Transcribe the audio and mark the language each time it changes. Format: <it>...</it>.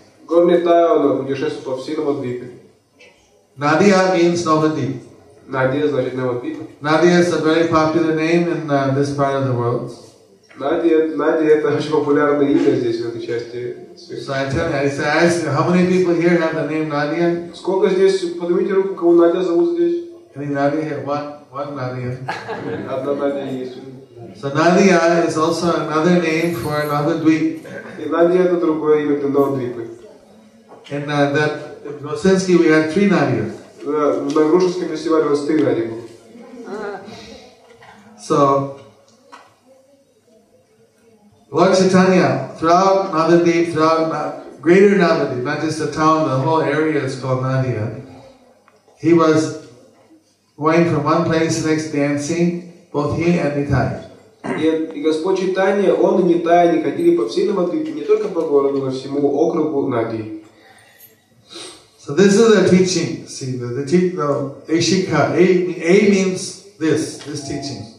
<ru>Горни Тай путешествовал по всей Навадвипе.</ru> <en>Nadia means Navadvip.</en> <ru>Nadia значит Навадвип.</ru> <en>Nadia is a very popular name in this part of the world.</en> <ru>Nadia это очень популярное имя здесь в этой части света.</ru> <en>So I ask, how many people here have the name Nadia?</en> <ru>Сколько здесь, поднимите руку, кого Nadia зовут здесь?</ru> <en>Any Nadia here? One Nadia.</en> <ru>Одна Nadia есть.</ru> <en>So Nadia is also another name for another dweep.</en> <ru>Nadia это другое имя для Навадвипа.</ru> <en>And that in Gosinski we had three Nadias.</en> <ru>В Нагрушевском фестивале у нас три Nadia было.</ru> <en>So Lord Chaitanya, throughout Navadvip, throughout greater Navadvip, not just the town, the whole area is called Nadia. He was going from one place to the next dancing, both he and Nitai.</en> <ru>И Господь Читания, Он и Нитая, они ходили по всей Навадвипе, не только по городу, но всему округу Нади.</ru> <en>So this is the teaching, see, the Ishika, A means this teaching.</en>